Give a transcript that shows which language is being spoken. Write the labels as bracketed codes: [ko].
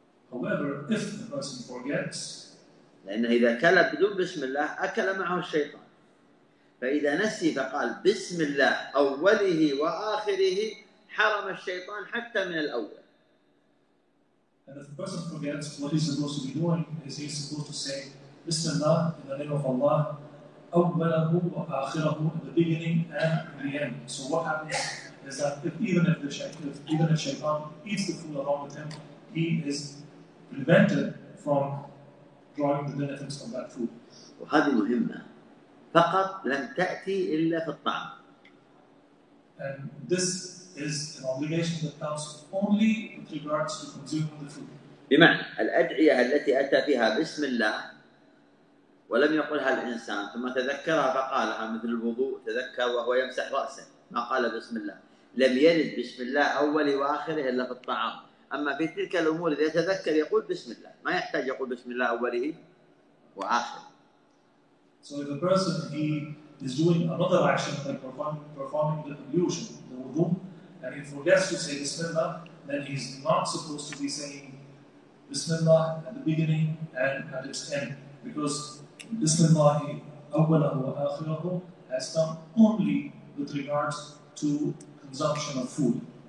[en] However, if the person forgets, [ar] لأن إذا أكل بدون بسم الله أكل معه الشيطان. فإذا نسي فقال بسم الله أوله وآخره حرم الشيطان حتى من الأول. [en] And if the person forgets what he's supposed to be doing, is he supposed to say Bismillah in the name of Allah, [ar] أوله وآخره, [en] in the beginning and the end. So what happens is that if Shaitan eats the food along with him, he is prevented from drawing the benefits from that food. [ar] وهذه مهمة. فقط لم تأتي إلا في الطعام. [en] And this is an obligation that comes only with regards to consuming the food. [ar] بمعنى الأدعية التي أتى فيها بسم الله ولم يقلها الإنسان ثم تذكرها فقالها مثل الوضوء تذكر وهو يمسح رأسه ما قال بسم الله لم يرد بسم الله أوله وآخره إلا في الطعام. أما في تلك الأمور إذا تذكر يقول بسم الله ما يحتاج يقول بسم الله أوله وآخره. [en] So if a person he is doing another action like performing the ablution, the wudu, and he forgets to say Bismillah, then he's not supposed to be saying Bismillah at the beginning and at its end, because Bismillah awwalahu wa akhirahu has come only with regards to consumption of food.